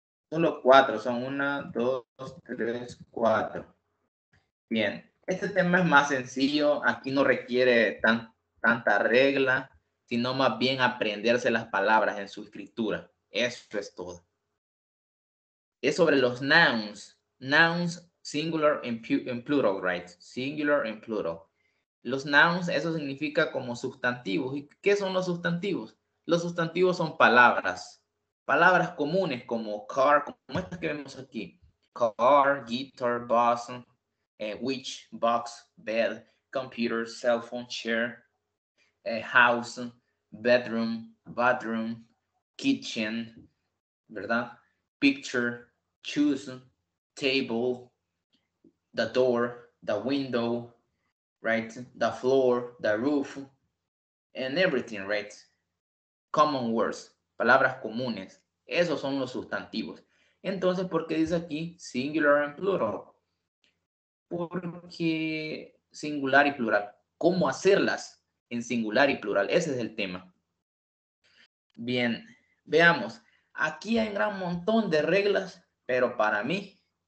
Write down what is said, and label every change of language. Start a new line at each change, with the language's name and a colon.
Spanish: Solo cuatro, son una, dos, tres, cuatro. Bien. Este tema es más sencillo, aquí no requiere tanta regla, sino más bien aprenderse las palabras en su escritura. Eso es todo. Es sobre los nouns.
English: Nouns, singular and plural, right? Singular and plural.
Spanish: Los nouns, eso significa como sustantivos. ¿Y qué son los sustantivos? Los sustantivos son palabras. Palabras comunes como car, como estas que vemos aquí.
English: Car, guitar, bus. Which, box, bed, computer, cell phone, chair, house, bedroom, bathroom, kitchen,
Spanish: ¿verdad?
English: Picture, choose, table, the door, the window, right? The floor, the roof, and everything, right? Common words,
Spanish: palabras comunes. Esos son los sustantivos. Entonces, ¿por qué dice aquí
English: singular and plural?
Spanish: Porque singular y plural, ¿cómo hacerlas en singular y plural? Ese es el tema. Bien, veamos. Aquí hay un gran montón de reglas, pero para mí,